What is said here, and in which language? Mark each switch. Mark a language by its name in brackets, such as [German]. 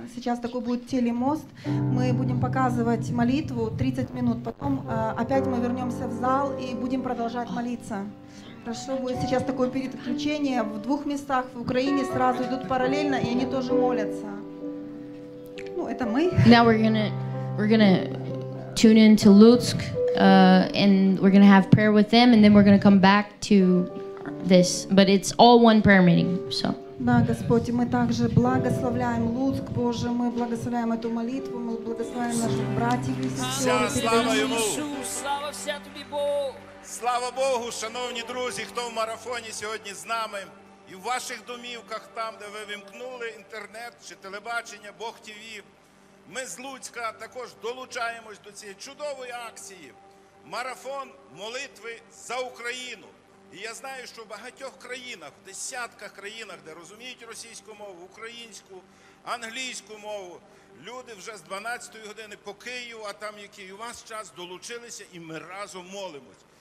[Russian] Сейчас такой будет телемост. Мы будем показывать молитву 30 минут. Потом опять мы вернемся в зал и будем продолжать молиться. Хорошо, будет сейчас такое переключение. В двух местах в Украине сразу идут параллельно, и они тоже молятся. Ну, это мы. [English] Now we're gonna tune in to Lutsk, and we're gonna have prayer with them, and then we're gonna come back to this. But it's all one prayer meeting, so. [Russian] Да, Господи, мы также благословляем Луцк, Боже, мы благословляем эту молитву, мы благословляем наших братьев и сестер. Слава Ему! [Ukrainian] Слава вся Тобі, Бог! Слава Богу, шановні друзі, хто в марафоні сьогодні з нами, і в ваших домівках, там, де ви вимкнули інтернет чи телебачення, Бог ТВ. Ми з Луцька також долучаємось до цієї чудової акції. Марафон молитви за Україну. І я знаю, що в багатьох країнах, в десятках країнах, де розуміють російську мову, українську, англійську мову, люди вже з 12-ї години по Києву, а там який у вас час, долучилися, і ми разом молимось.